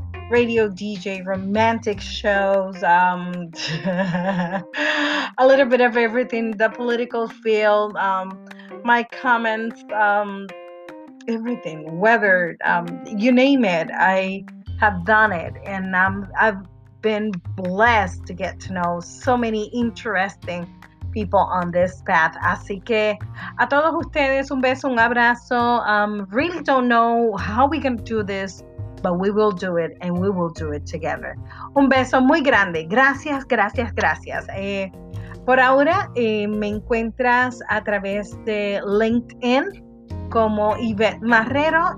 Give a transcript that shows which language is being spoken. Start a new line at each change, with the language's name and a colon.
English: radio DJ, romantic shows, a little bit of everything, the political field, my comments, everything, weather, you name it, I have done it. And I've been blessed to get to know so many interesting people on this path.
Spanish: Así que a todos ustedes, un beso, un abrazo.
English: Really don't know how we can do this, but we will do it, and we will do it together.
Spanish: Un beso muy grande. Gracias, gracias, gracias. Por ahora, me encuentras a través de LinkedIn como Yvette Marrero.